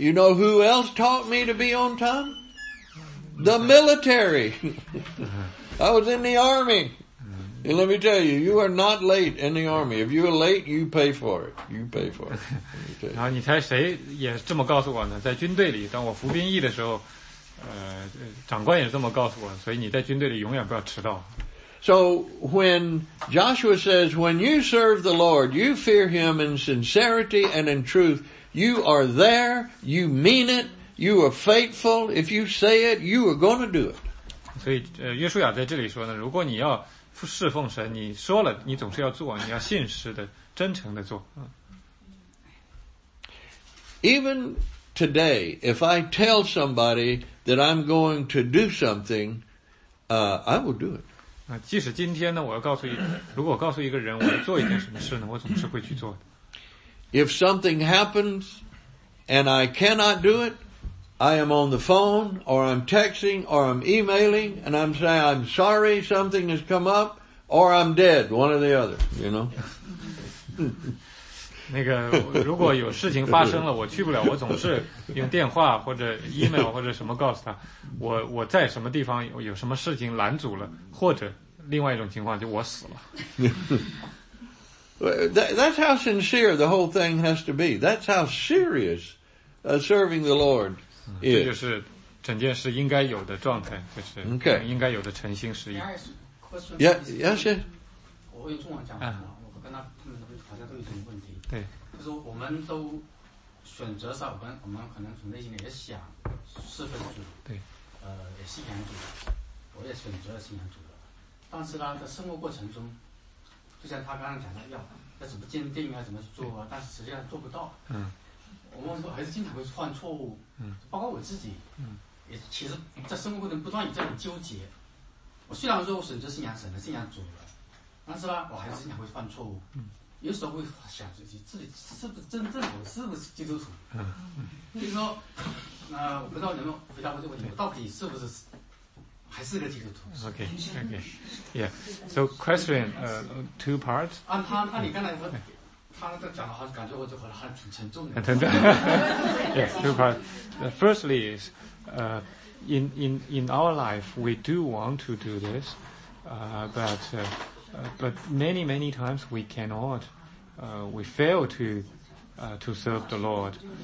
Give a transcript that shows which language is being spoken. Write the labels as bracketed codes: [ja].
[en] You know who else taught me to be on time? The military. I was in the army. And let me tell you, you are not late in the army. If you are late, you pay for it. You pay for it. [zh] 然后你猜谁也这么告诉我呢，在军队里当我服兵役的时候，长官也这么告诉我，所以你在军队里永远不要迟到。 [en] So when Joshua says, when you serve the Lord, you fear him in sincerity and in truth, you are there, you mean it, you are faithful, if you say it, you are going to do it. [zh] 所以约书亚在这里说呢，如果你要侍奉神，你说了你总是要做，你要信实的真诚的做。 [en] Even today, if I tell somebody that I'm going to do something, I will do it. [zh] 即使今天呢，我要告诉如果我告诉一个人我要做一件什么事呢，我总是会去做的。 [en] If something happens and I cannot do it, I am on the phone or I'm texting or I'm emailing and I'm saying I'm sorry something has come up or I'm dead, one or the other, you know. [zh] 那个如果有事情发生了我去不了，我总是用电话或者 email 或者什么告诉他我在什么地方有什么事情拦阻了，或者另外一种情况就我死了。 [en] That's how sincere the whole thing has to be. That's how serious serving the Lord is. [zh] 这就是整件事应该有的状态，就是应该有的诚心实意。 [en] Yes, yes. [zh] 我用中文讲什么，我跟他们好像都有什么问题。对，就是我们都选择上，我们可能从内心里也想侍奉主，对，也信仰主，我也选择了信仰主了。但是呢，在生活过程中，就像他刚刚讲的，要要怎么坚定啊，怎么做啊，但是实际上做不到。嗯，我们还是经常会犯错误。嗯，包括我自己。嗯，也其实，在生活过程不断有这种纠结。我虽然说我选择信仰神的，信仰主了，但是呢，我还是经常会犯错误。嗯，有时候会想自己，自己是不是真正我是不是基督徒？嗯，就是说，我不知道能不能回答过这个问题，我到底是不是？还是个基督徒。 [en] Okay, okay. Yeah. So question, two parts. [zh] 啊，他你刚才说，他那个讲的话，感觉我就好像挺沉重的。很沉重。 [en] Yeah, two parts. Firstly is, in our life, we do want to do this, but many, many times we cannot, we fail to serve the Lord.